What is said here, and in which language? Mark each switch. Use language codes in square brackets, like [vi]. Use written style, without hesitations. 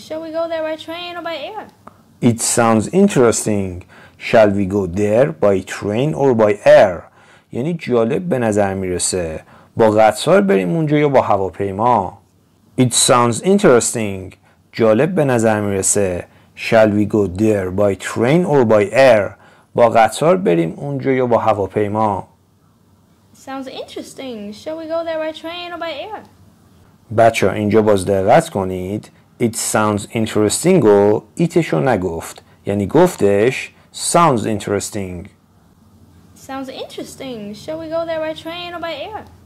[en] Shall we go there by train or by air? It sounds interesting. Shall we go there by train or by air? [fa] یعنی جالب به نظر میرسه. با قطار بریم اونجا یا با هواپیما؟ [en] It sounds interesting. [fa] جالب به نظر میرسه. [en] Shall we go there by train or by air? [fa] با قطار بریم اونجا یا با هواپیما؟ [en] Sounds interesting. Shall we go there by train or by air? [fa] بچه اینجا باز دقت کنید. [en] It sounds interesting [fa] و ایتشو نگفت. یعنی گفتش [en] sounds interesting. Sounds interesting. Shall we go there by train or by air?